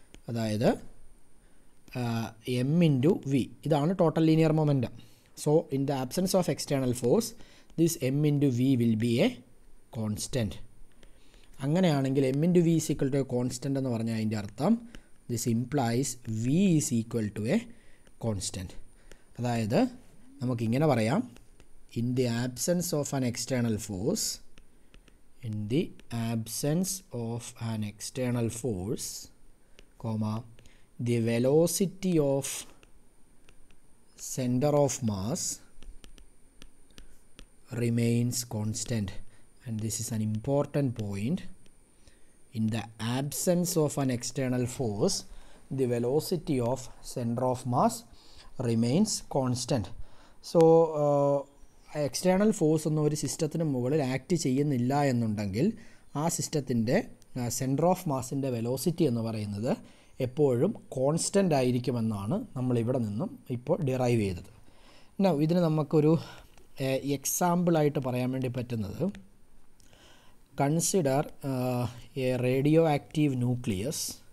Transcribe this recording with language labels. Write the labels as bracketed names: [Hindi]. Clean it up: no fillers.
[Malayalam] അതായത് M into V, ഇതാണ് total linear momentum. [English] So in the absence of external force this m into v will be a constant. അങ്ങനെയാണെങ്കിൽ m into v is equal to a constant [Malayalam] എന്ന് പറഞ്ഞാൽ അതിൻ്റെ അർത്ഥം [English] This implies v is equal to a constant. [Malayalam] അതായത് നമുക്കിങ്ങനെ പറയാം, [English] in the absence of an external force, in the absence of an external force, comma, the velocity of center of mass remains constant. And this is an important point. In the absence of an external force, the velocity of center of mass remains constant. [Malayalam] So external force ഒന്നും ഒരു സിസ്റ്റത്തിന് മുകളിൽ act ചെയ്യുന്നില്ല എന്നുണ്ടെങ്കിൽ ആ സിസ്റ്റത്തിൻ്റെ centre of മാസിൻ്റെ velocity എന്ന് പറയുന്നത് എപ്പോഴും കോൺസ്റ്റൻ്റ് ആയിരിക്കുമെന്നാണ് നമ്മളിവിടെ നിന്നും ഇപ്പോൾ ഡിറൈവ് ചെയ്തത്. എന്നാ ഇതിന് നമുക്കൊരു എക്സാമ്പിളായിട്ട് പറയാൻ വേണ്ടി പറ്റുന്നത്, [English] Consider a radioactive nucleus.